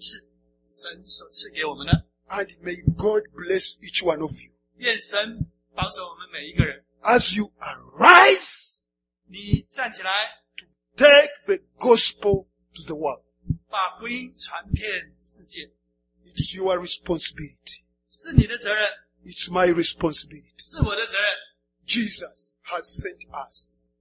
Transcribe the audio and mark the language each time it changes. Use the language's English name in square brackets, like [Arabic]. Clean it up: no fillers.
[Chinese] 那么需要我们所有人的智慧、聪明、才智以及恩赐，神所赐给我们的。 [English] And may God bless each one of you. [Chinese] 愿神保守我们每一个人。 [English] As you arise, [Chinese] 你站起来, [English] to take the gospel to the world. [Chinese] 把福音传遍世界。 [English] It's your responsibility. [Chinese] 是你的责任。 [English] It's my responsibility. [Chinese] 是我的责任。 [English] Jesus has sent us.